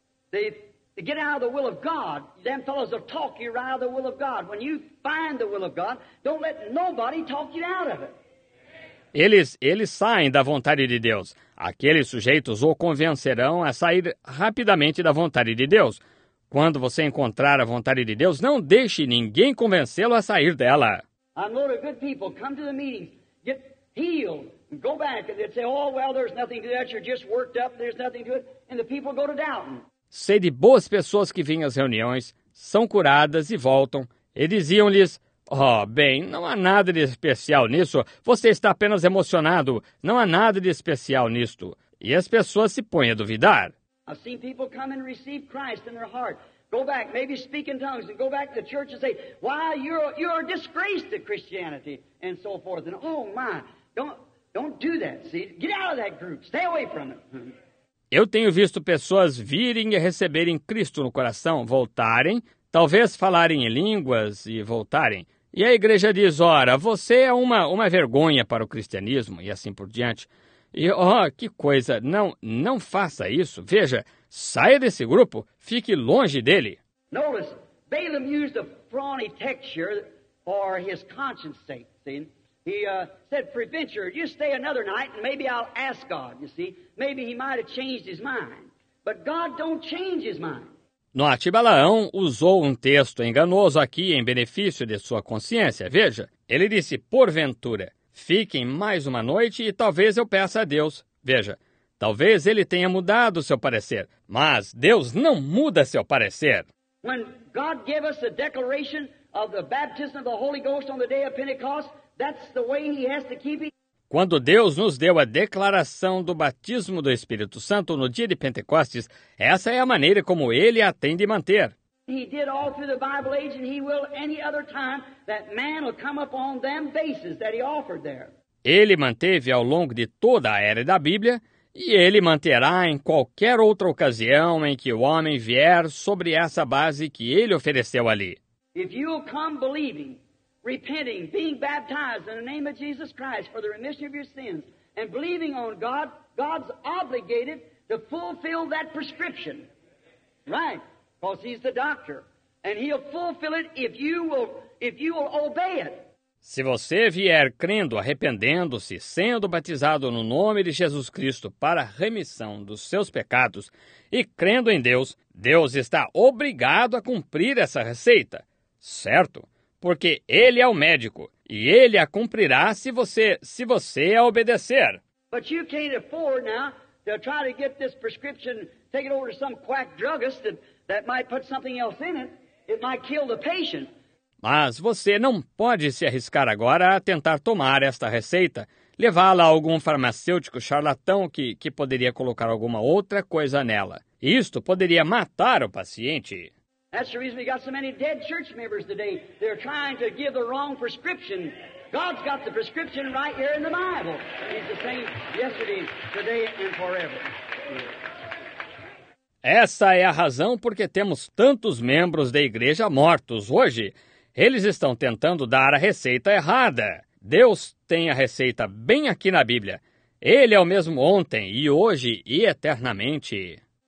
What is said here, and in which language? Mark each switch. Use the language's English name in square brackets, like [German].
[English] They get out of the will of God. Them fellows will talk you right out of the will of God. When you find the will of God, don't let nobody talk you out of it. [Portuguese] Eles saem da vontade de Deus. Aqueles sujeitos o convencerão a sair rapidamente da vontade de Deus. Quando você encontrar a vontade de Deus, não deixe ninguém convencê-lo a sair dela. [English] I know the good people come to the meetings, get healed, and go back, and they'd say, oh, well, there's nothing to that, you're just worked up, there's nothing to it, and the people go to doubting. [Portuguese] Sei de boas pessoas que vêm às reuniões, são curadas e voltam, e diziam-lhes, oh, bem, não há nada de especial nisso, você está apenas emocionado, não há nada de especial nisto. E as pessoas se põem a duvidar. [English] I've seen people come and receive Christ in their heart. Go back, maybe speak in tongues, and go back to the church and say, why, you're a disgrace to Christianity, and so forth. And oh my, don't do that, see? Get out of that group. Stay away from it. [Portuguese] Eu tenho visto pessoas virem e receberem Cristo no coração, voltarem, talvez falarem em línguas e voltarem. E a igreja diz, ora, você é uma vergonha para o cristianismo, e assim por diante. E, oh, que coisa, não faça isso. Veja, saia desse grupo, fique longe dele. [English] Notice, Balaam used a fawny texture for his conscience sake, see? He said, preventure, just stay another night and maybe I'll ask God, you see? Maybe he might have changed his mind. But God don't change his mind. [Portuguese] Note, Balaão usou um texto enganoso aqui em benefício de sua consciência. Veja, ele disse, porventura, fiquem mais uma noite e talvez eu peça a Deus. Veja, talvez ele tenha mudado seu parecer, mas Deus não muda seu parecer. [English] When God gave us the declaration of the baptism of the Holy Ghost on the day of Pentecost, that's the way he has to keep it. [Portuguese] Quando Deus nos deu a declaração do batismo do Espírito Santo no dia de Pentecostes, essa é a maneira como ele a tem de manter. [English] He did all through the Bible age and he will any other time that man will come up on them bases that he offered there. [Portuguese] Ele manteve ao longo de toda a era da Bíblia e ele manterá em qualquer outra ocasião em que o homem vier sobre essa base que ele ofereceu ali. [English] If you come believing, repenting, being baptized in the name of Jesus Christ for the remission of your sins and believing on God, God's obligated to fulfill that prescription. Right? Because he's the doctor and he'll fulfill it if you will obey it. [Portuguese] Se você vier crendo, arrependendo-se, sendo batizado no nome de Jesus Cristo para a remissão dos seus pecados e crendo em Deus, Deus está obrigado a cumprir essa receita, certo? Porque ele é o médico e ele a cumprirá se você a obedecer. [English] But you can't afford now to try to get this prescription taken over to some quack druggist that might put something else in it. It might kill the patient. [Portuguese] Mas você não pode se arriscar agora a tentar tomar esta receita, levá-la a algum farmacêutico charlatão que poderia colocar alguma outra coisa nela. Isto poderia matar o paciente. [English] That's the reason we got so many dead church members today. They're trying to give the wrong prescription. God's got the prescription right here in the Bible. He's the same yesterday, today and forever. [Portuguese] Essa é a razão porque temos tantos membros da igreja mortos hoje. Eles estão tentando dar a receita errada. Deus tem a receita bem aqui na Bíblia. Ele é o mesmo ontem e hoje e eternamente.